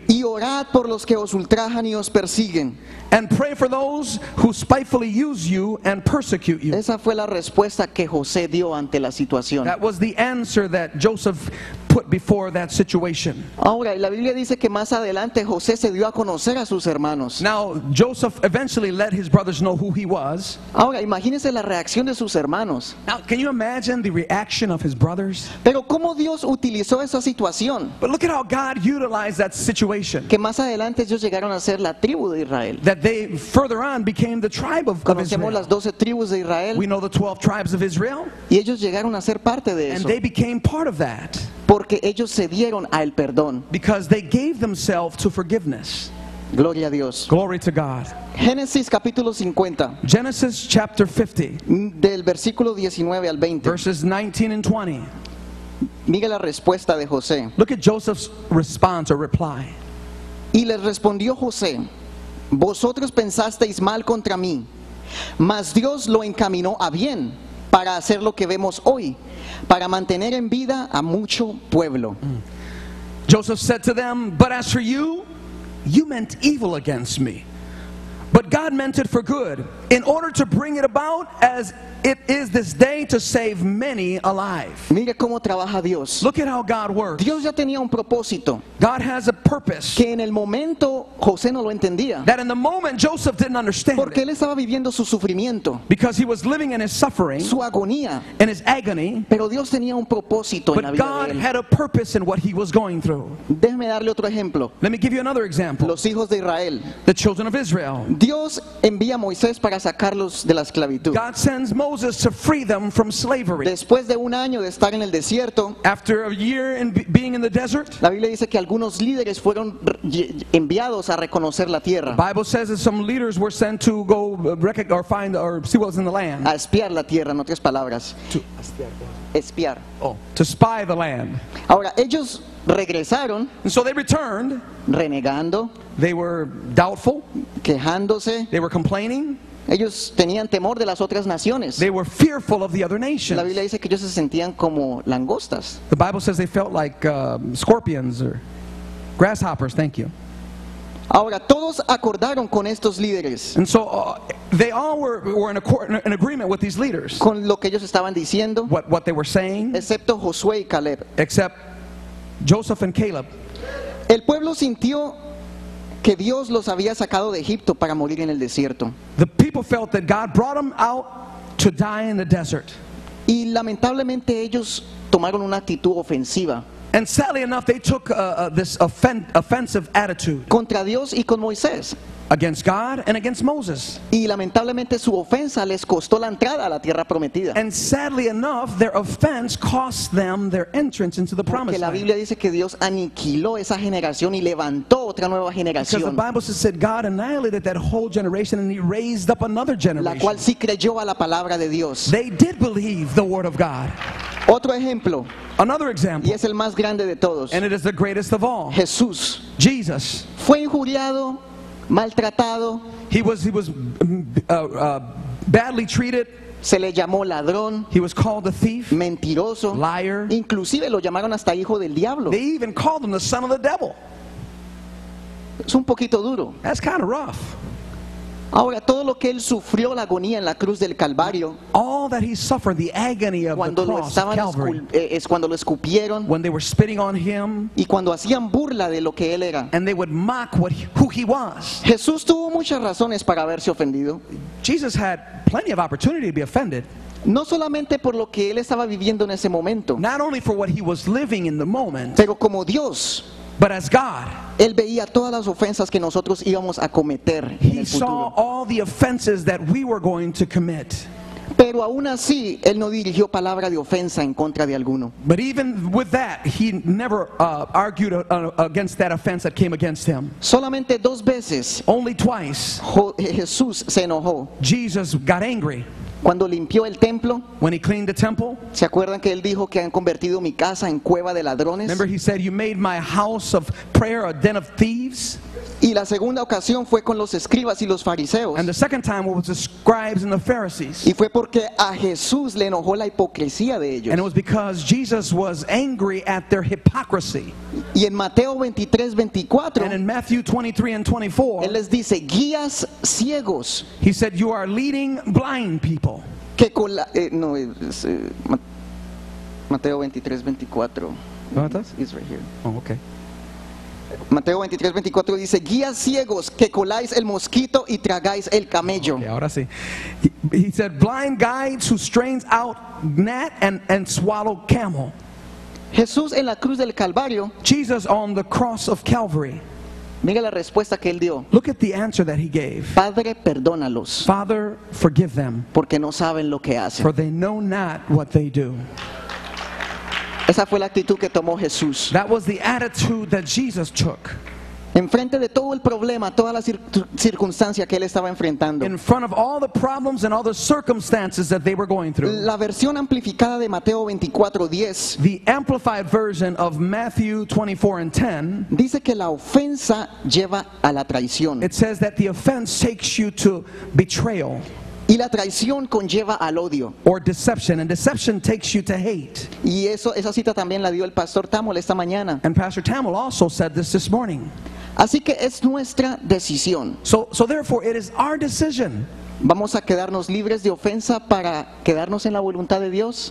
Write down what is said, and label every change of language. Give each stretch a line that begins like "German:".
Spanish: Y orad por los que os ultrajan y os persiguen.
English: And pray for those who spitefully use you and persecute you.
Spanish: Esa fue la respuesta que José dio ante la situación.
English: That was the answer that Joseph put before that situation.
Spanish: Ahora, la Biblia dice que más adelante José se dio a conocer a sus hermanos.
English: Now, Joseph eventually let his brothers know who he was.
Spanish: Ahora, imagínese la reacción de sus hermanos.
English: Now, can you imagine the reaction of his brothers?
Spanish: Pero ¿cómo Dios utilizó esa situación?
English: But look at how God utilized that situation.
Spanish: Que más adelante ellos llegaron a ser la tribu de Israel.
English: That they further on became the tribe of
Spanish: Conocemos
English: Israel.
Spanish: Las 12 tribus de Israel.
English: We know the 12 tribes of Israel.
Spanish: Y ellos llegaron a ser parte de eso.
English: And they became part of that.
Spanish: Porque ellos se dieron al perdón.
English: Because they gave themselves to forgiveness.
Spanish: Gloria a Dios.
English: Glory to God.
Spanish: Génesis capítulo 50.
English: Genesis chapter 50.
Spanish: Del versículo 19 al 20.
English: Verses 19 and 20.
Spanish: Mira la respuesta de José.
English: Look at Joseph's response or reply.
Spanish: Y les respondió José: Vosotros pensasteis mal contra mí, mas Dios lo encaminó a bien para hacer lo que vemos hoy, para mantener en vida a mucho pueblo.
English: Joseph said to them, But as for you, you meant evil against me. But God meant it for good, in order to bring it about as it is this day to save many alive.
Spanish: Mire cómo trabaja Dios.
English: Look at how God works.
Spanish: Dios ya tenía un propósito.
English: God has a purpose.
Spanish: Que en el momento José no lo entendía.
English: That in the moment Joseph didn't understand.
Spanish: Porque él estaba viviendo su sufrimiento.
English: Because he was living in his suffering.
Spanish: Su agonía.
English: In his agony.
Spanish: Pero Dios tenía un propósito en la vida de él.
English: But God had a purpose in what he was going through.
Spanish: Déjeme darle otro ejemplo.
English: Let me give you another example.
Spanish: Los hijos de Israel.
English: The children of Israel.
Spanish: Dios envía a Moisés para sacarlos de la esclavitud.
English: God sends Moses to free them from slavery.
Spanish: Después de un año de estar en el desierto,
English: after a year in being in the desert,
Spanish: la Biblia dice que algunos líderes fueron enviados a reconocer la tierra.
English: The Bible says that some leaders were sent to go or find or see what was in the land.
Spanish: A espiar la tierra, en otras palabras.
English: To
Spanish: espiar.
English: Oh, to spy the land. Ahora ellos regresaron. And so they returned. Renegando. They were doubtful. Quejándose. They were complaining. Ellos tenían temor de las otras naciones. They were fearful of the other nations. La Biblia dice que ellos se sentían como langostas. The Bible says they felt like scorpions or grasshoppers. Thank you.
Spanish: Ahora todos acordaron con estos líderes.
English: And so they all were in accord, in agreement with these leaders.
Spanish: Con lo que ellos estaban diciendo.
English: What they were saying.
Spanish: Excepto Josué y Caleb.
English: Except Joseph and Caleb.
Spanish: El pueblo sintió que Dios los había sacado de Egipto para morir en el desierto.
English: The people felt that God brought them out to die in the desert.
Spanish: Y lamentablemente ellos tomaron una actitud ofensiva.
English: And sadly enough, they took this offensive attitude.
Spanish: Contra Dios y con Moisés.
English: Against God and against Moses.
Spanish: Y lamentablemente su ofensa les costó la entrada a la tierra prometida.
English: And sadly enough, their offense cost them their entrance into the promised land.
Spanish: Porque la Biblia dice que Dios aniquiló esa generación y levantó otra nueva generación.
English: Because the Bible says that God annihilated that whole generation and he raised up another generation.
Spanish: La cual sí creyó a la palabra de Dios.
English: They did believe the word of God.
Spanish: Otro ejemplo.
English: Another example.
Spanish: Y es el más grande de todos.
English: And it is the greatest of all.
Spanish: Jesús.
English: Jesus.
Spanish: Fue injuriado. Maltratado.
English: He was badly treated.
Spanish: Se le llamó ladrón.
English: He was called a thief.
Spanish: Mentiroso.
English: Liar.
Spanish: Inclusive lo llamaron hasta hijo del diablo.
English: They even called him the son of the devil.
Spanish: Es un poquito duro.
English: That's kind of rough.
Spanish: Ahora todo lo que él sufrió, la agonía en la cruz del Calvario.
English: All that he suffered, the agony of
Spanish: cuando
English: the cross,
Spanish: lo estaban
English: Calvary,
Spanish: es cuando lo escupieron.
English: When they were spitting on him.
Spanish: Y cuando hacían burla de lo que él era.
English: And they would mock who he was.
Spanish: Jesús tuvo muchas razones para haberse ofendido.
English: Jesus had plenty of opportunity to be offended.
Spanish: No solamente por lo que él estaba viviendo en ese momento.
English: Not only for what he was living in the moment.
Spanish: Pero como Dios.
English: But as God,
Spanish: él veía todas las ofensas que nosotros íbamos a cometer.
English: He saw all the offenses that we were going to commit.
Spanish: Pero aún así, él no dirigió palabra de ofensa en contra de alguno.
English: But even with that, he never argued against that offense that came against him.
Spanish: Solamente dos veces,
English: only twice,
Spanish: Jesús se enojó.
English: Jesus got angry.
Spanish: Cuando limpió el templo,
English: when he cleaned the temple,
Spanish: ¿se acuerdan que él dijo que han convertido mi casa en cueva de ladrones?
English: Remember he said you made my house of prayer a den of thieves.
Spanish: Y la segunda ocasión fue con los escribas y los fariseos.
English: And the second time was with the scribes and the Pharisees.
Spanish: Y fue porque a Jesús le enojó la hipocresía de ellos.
English: And it was because Jesus was angry at their hypocrisy.
Spanish: Y en Mateo 23:24,
English: and in Matthew 23:24,
Spanish: él les dice, guías ciegos.
English: He said, you are leading blind people.
Spanish: Que con la, no, es, Mateo 23:24.
English: It's right here. Oh, okay.
Spanish: Mateo 23:24 dice, guías ciegos que coláis el mosquito y tragáis el camello. Okay, ahora sí.
English: He said, blind guides who strains out gnat and swallow camel.
Spanish: Jesús en la cruz del Calvario.
English: Jesus on the cross of Calvary.
Spanish: Mira la respuesta que él dio.
English: Look at the answer that he gave.
Spanish: Padre, perdónalos.
English: Father, forgive them.
Spanish: Porque no saben lo que hacen.
English: For they know not what they do.
Spanish: Esa fue la actitud que tomó Jesús.
English: That was the attitude that Jesus took.
Spanish: Enfrente de todo el problema, toda la circunstancia que él estaba enfrentando.
English: In front of all the problems and all the circumstances that they were going through.
Spanish: La versión amplificada de Mateo 24:10.
English: The amplified version of Matthew 24:10.
Spanish: Dice que la ofensa lleva a la traición.
English: It says that the offense takes you to betrayal.
Spanish: Y la traición conlleva al odio.
English: Or deception, and deception takes you to hate.
Spanish: Y eso, esa cita también la dio el pastor Tamil esta mañana.
English: And Pastor Tamil also said this morning.
Spanish: Así que es nuestra decisión.
English: So therefore it is our decision.
Spanish: ¿Vamos a quedarnos libres de ofensa para quedarnos en la voluntad de Dios?